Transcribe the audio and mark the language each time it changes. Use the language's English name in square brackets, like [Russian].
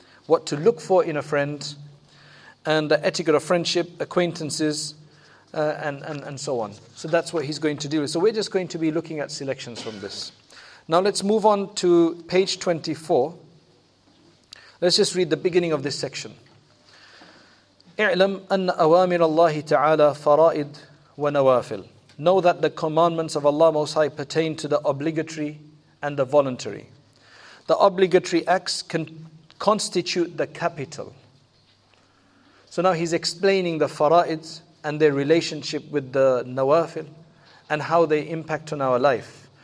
[English] What to look for in a friend? And the etiquette of friendship, acquaintances, and so on. So that's what he's going to deal with. So we're just going to be looking at selections from this. Now let's move on to page 24. Let's just read the beginning of this section. [Arabic] اعلم أن أوامر الله تعالى فرائد ونوافل. [English] Know that the commandments of Allah Most High pertain to the obligatory and the voluntary. The obligatory acts can constitute the capital. So now he's explaining the fara'id and their relationship with the nawafil and how they impact on our life.